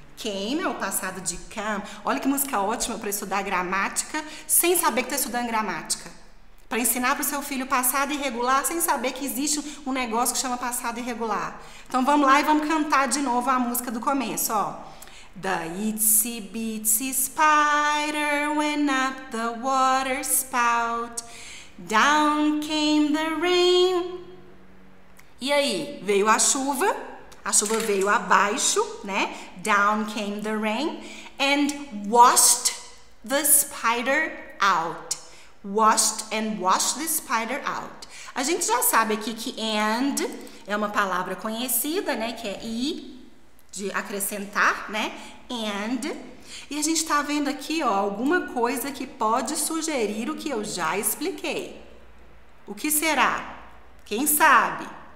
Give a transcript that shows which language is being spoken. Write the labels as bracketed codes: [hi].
[pt] Came é o passado de come. Olha que música ótima para estudar gramática sem saber que está estudando gramática. Para ensinar para o seu filho passado irregular sem saber que existe um negócio que chama passado irregular. Então vamos lá e vamos cantar de novo a música do começo, ó. [en] The itsy bitsy spider went up the water spout. Down came the rain. [pt] E aí, veio a chuva. A chuva veio abaixo, né? [en] Down came the rain and washed the spider out. Washed and washed the spider out. [pt] A gente já sabe aqui que and é uma palavra conhecida, né? Que é e, de acrescentar, né? And. E a gente tá vendo aqui, ó, alguma coisa que pode sugerir o que eu já expliquei. O que será? Quem sabe?